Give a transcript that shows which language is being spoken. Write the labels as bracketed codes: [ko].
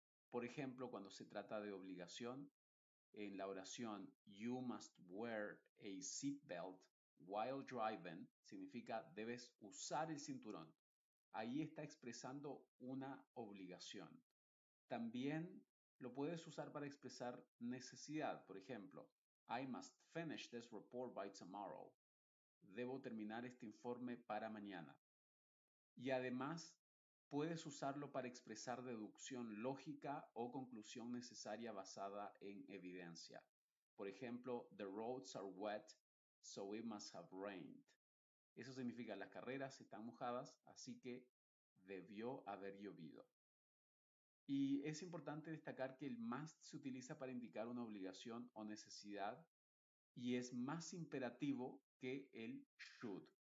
[es] Por ejemplo, cuando se trata de obligación, en la oración [en] You must wear a seatbelt while driving [es] significa debes usar el cinturón. Ahí está expresando una obligación. También lo puedes usar para expresar necesidad. Por ejemplo, [en] I must finish this report by tomorrow. [es] Debo terminar este informe para mañana. Y además, puedes usarlo para expresar deducción lógica o conclusión necesaria basada en evidencia. Por ejemplo, [en] The roads are wet, so it must have rained. [es] Eso significa las carreras están mojadas, así que debió haber llovido. Y es importante destacar que el must se utiliza para indicar una obligación o necesidad y es más imperativo que el should.